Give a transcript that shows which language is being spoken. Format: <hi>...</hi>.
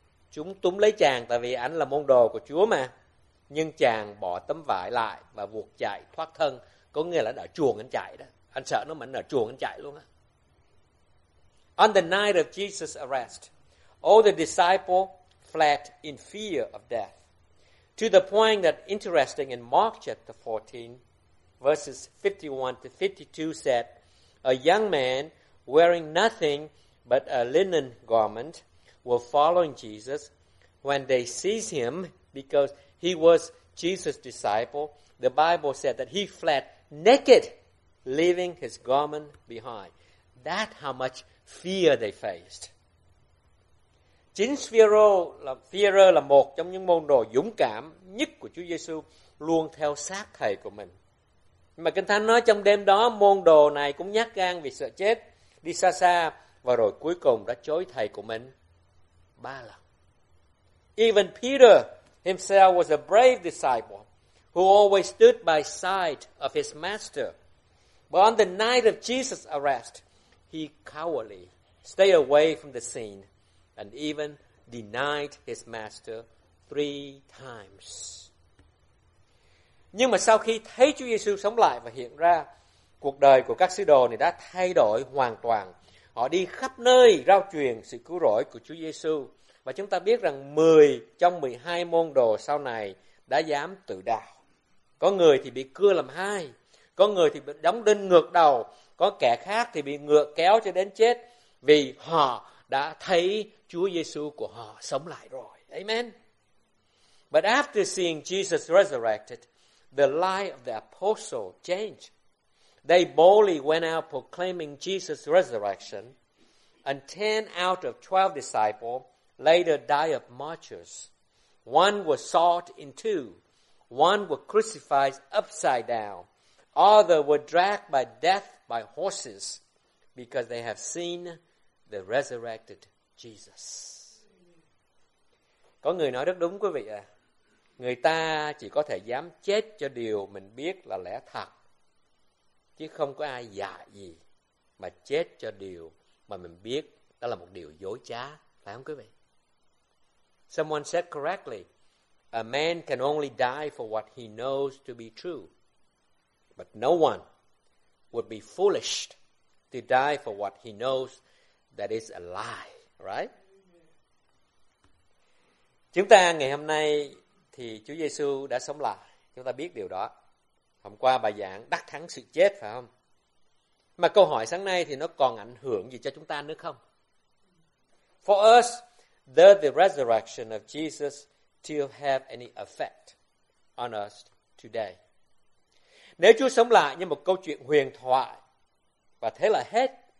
<vi>Chúng túm lấy chàng tại vì ảnh là môn đồ của Chúa mà. Nhưng chàng bỏ tấm vải lại và vuột chạy thoát thân. Có nghĩa là ở chuồng anh chạy đó. Anh sợ nó mà anh ở chuồng anh chạy luôn á.</vi> <en>On the night of Jesus' arrest, all the disciples fled in fear of death. To the point that, interesting, in Mark chapter 14, verses 51 to 52 said, a young man wearing nothing but a linen garment were following Jesus. When they seized him, because he was Jesus' disciple, the Bible said that he fled naked, leaving his garment behind. That's how much fear they faced.</en> <vi>Chính Phi-rơ là một trong những môn đồ dũng cảm nhất của Chúa Giê-xu, luôn theo sát thầy của mình. Nhưng mà Kinh Thánh nói trong đêm đó, môn đồ này cũng nhát gan vì sợ chết, đi xa xa, và rồi cuối cùng đã chối thầy của mình 3 lần.</vi> <en>Even Peter himself was a brave disciple who always stood by side of his master. But on the night of Jesus' arrest, he cowardly stayed away from the scene and even denied his master 3 times.</en> <vi>Nhưng mà sau khi thấy Chúa Giê-xu sống lại và hiện ra, cuộc đời của các sứ đồ này đã thay đổi hoàn toàn. Họ đi khắp nơi rao truyền sự cứu rỗi của Chúa Giê-xu. Và chúng ta biết rằng 10 trong 12 môn đồ sau này đã dám tự đạo. Có người thì bị cưa làm hai, có người thì bị đóng đinh ngược đầu, có kẻ khác thì bị ngựa kéo cho đến chết vì họ đã thấy Chúa Giê-xu của họ sống lại rồi. Amen.</vi> <en>But after seeing Jesus resurrected, the life of the apostle changed. They boldly went out proclaiming Jesus' resurrection, and 10 out of 12 disciples later died of martyrs. One was sawed in two. One was crucified upside down. Others were dragged by death by horses because they have seen the resurrected Jesus.</en> <vi>Có người nói rất đúng quý vị à. Người ta chỉ có thể dám chết cho điều mình biết là lẽ thật. Chứ không có ai dạ gì mà chết cho điều mà mình biết đó là một điều dối trá. Phải không quý vị?</vi> <en>Someone said correctly, a man can only die for what he knows to be true. But no one would be foolish to die for what he knows that is a lie, right?</en> <vi>Chúng ta ngày hôm nay thì Chúa Giê-xu đã sống lại. Chúng ta biết điều đó. Hôm qua bài giảng đắc thắng sự chết, phải không? Mà câu hỏi sáng nay thì nó còn ảnh hưởng gì cho chúng ta nữa không?</vi> <en>For us, does the resurrection of Jesus still have any effect on us today?</en> <vi>Nếu Chúa sống lại như một câu chuyện huyền thoại, Và thế là hết.</vi>